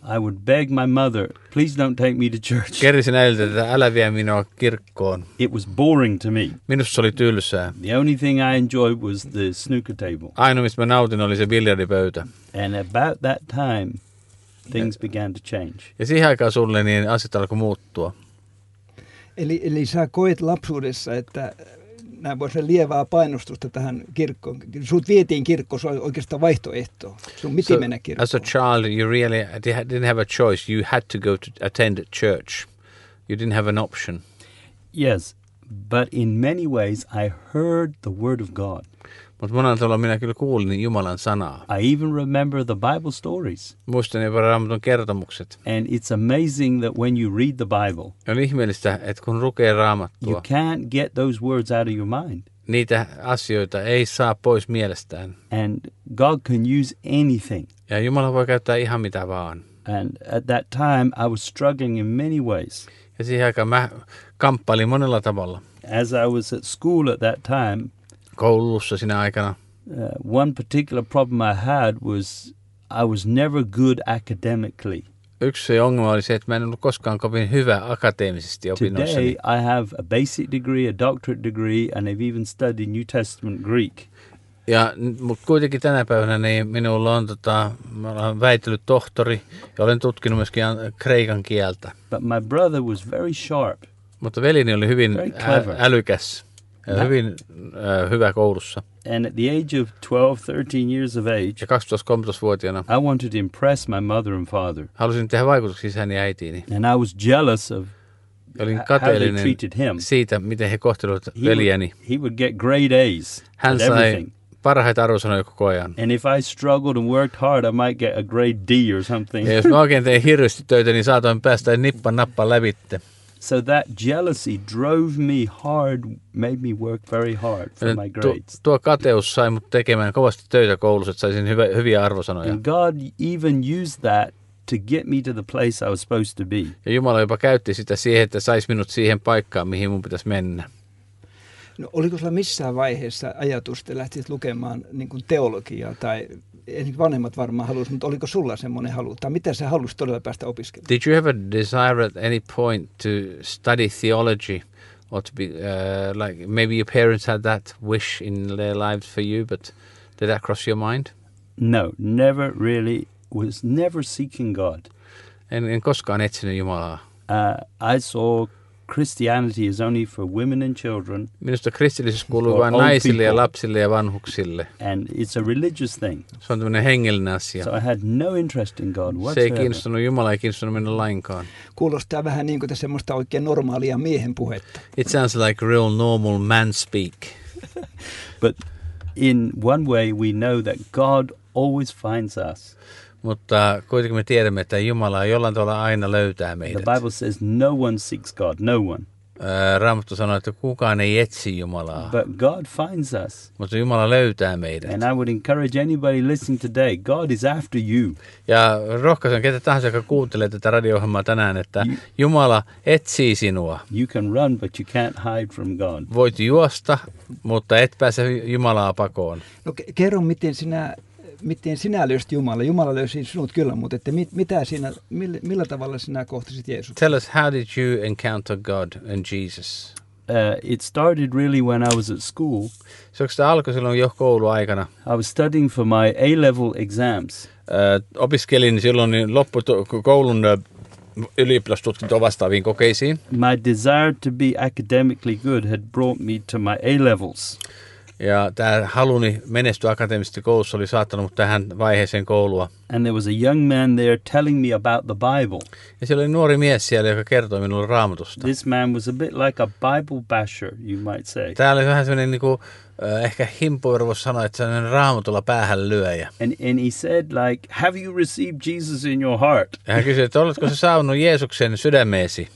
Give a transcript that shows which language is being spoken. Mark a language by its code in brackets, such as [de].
[en] I would beg my mother, please don't take me to church. [fi] Kerisin äidiltä, että älä vie minua kirkkoon. [en] It was boring to me. [fi] Minusta se oli tylsää. [en] The only thing I enjoyed was the snooker table. [fi] Ainoa, mistä mä nautin, oli se biljardipöytä. [en] And about that time, things began to change. [fi] Ja siihen aikaan sulle, niin asiat alkoi muuttua. Eli sä koet lapsuudessa, että nämä voisi olla lievää painostusta tähän kirkkoon. Sut vietiin kirkkoon, se oli oikeastaan vaihtoehto. Sun piti mennä kirkkoon. [en] As a child, you really didn't have a choice. You had to go to attend church. You didn't have an option. Yes, but in many ways I heard the word of God. [fi] Mutta monella tavalla minä kyllä kuulin Jumalan sanaa. [en] I even remember the Bible stories. [fi] Muistan jopa Raamatun kertomukset. [en] And it's amazing that when you read the Bible. [fi] On ihmeellistä, että kun lukee Raamattua. [en] You can't get those words out of your mind. [fi] Niitä asioita ei saa pois mielestään. [en] And God can use anything. [fi] Ja Jumala voi käyttää ihan mitä vaan. [en] And at that time I was struggling in many ways. [fi] Ja siihen aikaan mä kamppailin monella tavalla. [en] As I was at school at that time. [fi] Koulussa sinä aikana. [en] One particular problem I had was I was never good academically. [fi] Yksi ongelma oli se, että mä en ollut koskaan kovin hyvä akateemisesti opinnoissani. [en] Today I have a basic degree, a doctorate degree, and I've even studied New Testament Greek. [fi] Ja mutta kuitenkin tänä päivänä niin minulla on mä olen väitellyt tohtori ja olen tutkinut myöskin kreikan kieltä. [en] But my brother was very sharp. [fi] Mutta veljeni oli hyvin älykäs. Hyvin hyvä koulussa. [en] And at the age of 12-13 years of age. [fi] Ja 12-13-vuotiaana. [en] I wanted to impress my mother and father. [fi] Halusin tehdä vaikutuksen isäni ja äitiini. [en] And I was jealous of how they treated him. [fi] Siitä miten he kohtelivat veljeni. [en] He would get great A's. [fi] Hän sai parhaita arvosanoja koko ajan. [en] And if I struggled and worked hard, I might get a great D or something. [fi] Ja jos mä oikein tein hirveästi töitä, niin saatoin päästä nippan nappan lävitte. [en] So that jealousy drove me hard, made me work very hard for my grades. [fi] Tuo kateus sai mut tekemään kovasti töitä koulussa, että saisin hyviä arvosanoja. [en] And God even used that to get me to the place I was supposed to be. [fi] Ja Jumala jopa käytti sitä siihen, että sais minut siihen paikkaan, mihin mun pitäisi mennä. No, oliko sulla missään vaiheessa ajatus, että lähtisit lukemaan niin kuin teologiaa tai vanhemmat varmaan halusivat, mutta oliko sulla semmoinen halu? Tai mitä sä halusit todella päästä opiskelemaan? [en] Did you have a desire at any point to study theology or to be like maybe your parents had that wish in their lives for you, but did that cross your mind? No, never really, was never seeking God. [fi] En koskaan etsinyt Jumalaa. [en] I saw Christianity is only for women and children. [fi] Minusta kristillisyys kuuluu vain naisille ja lapsille ja vanhuksille. [en] And it's a religious thing. [fi] Se on tämmöinen hengellinen asia. [en] So I had no interest in God whatsoever. [fi] Se ei kiinnostunut Jumalaa, ei kiinnostunut minua lainkaan. Kuulostaa vähän niin kuin tässä semmoista oikein normaalia miehen puhetta. [en] It sounds like real normal man speak. But in one way we know that God always finds us. [fi] Mutta kuitenkin me tiedämme, että Jumala jollain tavalla aina löytää meidät. [en] The Bible says no one seeks God, no one. [fi] Raamattu sanoo, että kukaan ei etsi Jumalaa. [en] But God finds us. [fi] Mutta Jumala löytää meidät. [en] And I would encourage anybody listening today, God is after you. [fi] Ja rohkaisen ketä tahansa, joka kuuntelee tätä radio-ohjelmaa tänään, että Jumala etsii sinua. [en] You can run, but you can't hide from God. [fi] Voit juosta, mutta et pääse Jumalaa pakoon. No kerro, miten sinä löysit Jumala? Jumala löysi sinut kyllä, mutta että millä tavalla sinä kohtasit Jeesus? [en] Tell us, how did you encounter God and Jesus? It started really when I was at school. [fi] So, se alkoi silloin jo kouluaikana. [en] I was studying for my A-level exams. [fi] Opiskelin silloin koulun ylioppilastutkinto vastaaviin kokeisiin. [en] My desire to be academically good had brought me to my A-levels. [fi] Ja tämä haluni menestyä akateemisesti koulussa oli saattanut mut tähän vaiheeseen koulua. [en] And there was a young man there telling me about the Bible. [fi] Ja siellä oli nuori mies siellä, joka kertoi minulle Raamatusta. [en] This man was a bit like a Bible basher, you might say. [fi] Tämä oli vähän sellainen, niin kuin, ehkä himpoiru voisi sanoa, että sellainen Raamatulla päähän lyöjä. [en] And he said like, have you received Jesus in your heart? [fi] Ja hän kysyi, että oletko sä saanut Jeesuksen sydämeesi?